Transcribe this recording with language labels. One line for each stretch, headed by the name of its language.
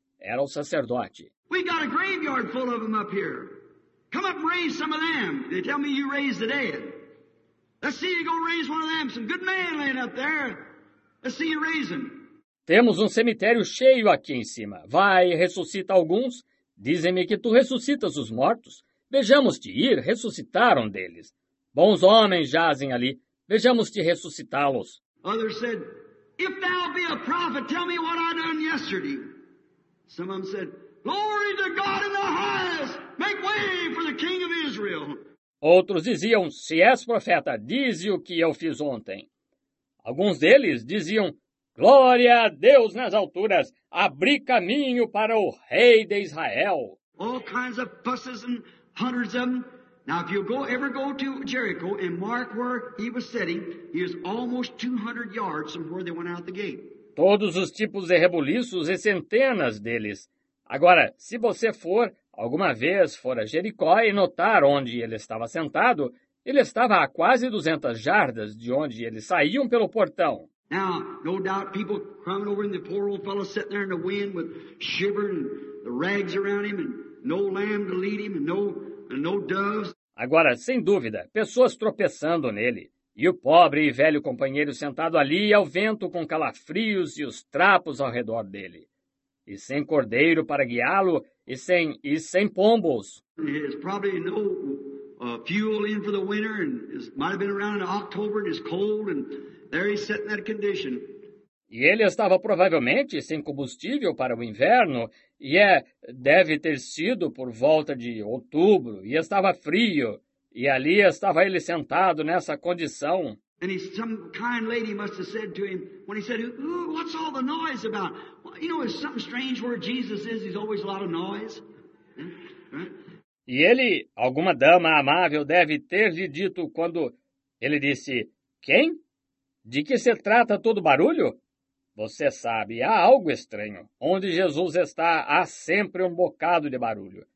Portuguese: Era o sacerdote.
English: We got a graveyard full of them up here. Come up and raise some of them. They tell me you raised the dead. Let's see you go raise one of them. Some good man laying up there. Let's see you raise him.
Portuguese: Temos um cemitério cheio aqui em cima. Vai, ressuscita alguns. Dizem-me que tu ressuscitas os mortos. Vejamos-te ir, ressuscitar um deles. Bons homens jazem ali. Vejamos-te ressuscitá-los.
English: Others said, if thou be a prophet, tell me what I done yesterday. Some of them said, glory to God in the highest. Make way for the king of Israel.
Portuguese: Outros diziam, se és profeta, dize o que eu fiz ontem. Alguns deles diziam, glória a Deus nas alturas, abri caminho para o rei de Israel.
English: All kinds of fusses and hundreds of them. Now, if you go ever go to Jericho and mark where he was sitting, he is almost 200 yards from where they went out the gate.
Portuguese: Todos os tipos de rebuliços e centenas deles. Agora, se você for alguma vez for a Jericó e notar onde ele estava sentado, ele estava a quase 200 jardas de onde eles saíam pelo portão.
English: Now, no doubt, people crying over him, the poor old fellow sitting there in the wind with shivering and the rags around him and no lamb to lead him and no doves.
Portuguese: Agora, sem dúvida, pessoas tropeçando nele. E o pobre e velho companheiro sentado ali ao vento com calafrios e os trapos ao redor dele. E sem cordeiro para guiá-lo e sem pombos.
English: There's probably no fuel in for the winter and might have been around in October and it's cold and... There he's sitting in that condition.
Portuguese: E ele estava provavelmente sem combustível para o inverno, e é, deve ter sido por volta de outubro, e estava frio, e ali estava ele sentado nessa condição.
English: And some kind lady must have said to him, when he said, what's all the noise about? Well, you know, there's something strange where Jesus is, there's always a lot of noise.
Portuguese: E ele, alguma dama amável, deve ter lhe dito quando ele disse, quem? De que se trata todo barulho? Você sabe, há algo estranho. Onde Jesus está, há sempre um bocado de barulho.